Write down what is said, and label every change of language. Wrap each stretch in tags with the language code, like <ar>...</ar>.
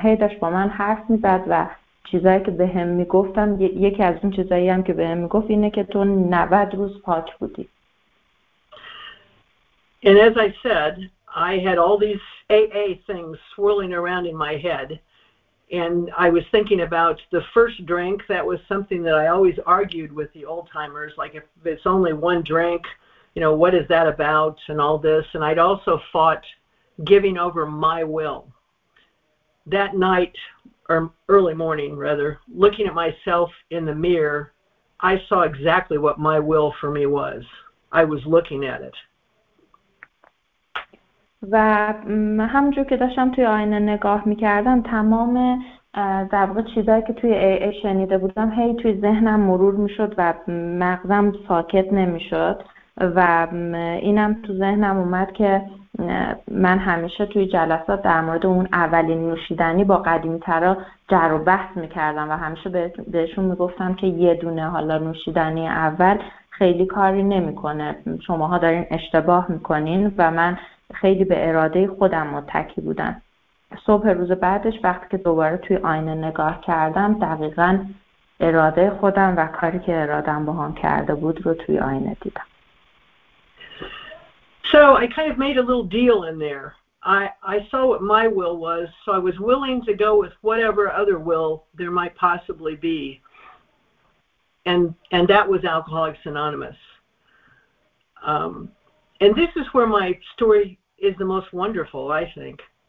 <fa>هی داشت با من حرف میزد و چیزایی که بهم میگفتم، یکی از اون چیزایی هم که بهم میگفت اینه که تو 90 روز پاک بودی.</fa> <en>And as I said, I had all these AA things swirling around in my head, and I was thinking about the first drink. That was something that I always argued with the old timers, like if it's only one drink, you know, what is that about and all this. And I'd also fought giving over my will. That night, or early morning rather, looking at myself in the mirror, I saw exactly what my will for me was. I was looking at it.</en> <fa>و همونجور که داشتم توی آینه نگاه میکردم، تمام در واقع چیزایی که توی ای ای شنیده بودم هی توی ذهنم مرور میشد و مغزم ساکت نمیشد و اینم تو ذهنم اومد که من همیشه توی جلسات در مورد اون اولین نوشیدنی با قدیمی ترا جر و بحث میکردم و همیشه بهشون میگفتم که یه دونه حالا نوشیدنی اول خیلی کاری نمیکنه، شماها دارین اشتباه میکنین، و من خیلی به اراده خودم متکی بودم. صبح روز بعدش وقتی که دوباره توی آینه نگاه کردم، دقیقا اراده خودم و کاری که ارادم با هم کرده بود رو توی آینه دیدم.</fa> <en>So I kind of made a little deal in there. I saw what my will was, so I was willing to go with whatever other will there might possibly be. And that was Alcoholics Anonymous. And this is where my story is the most wonderful, I think.</en>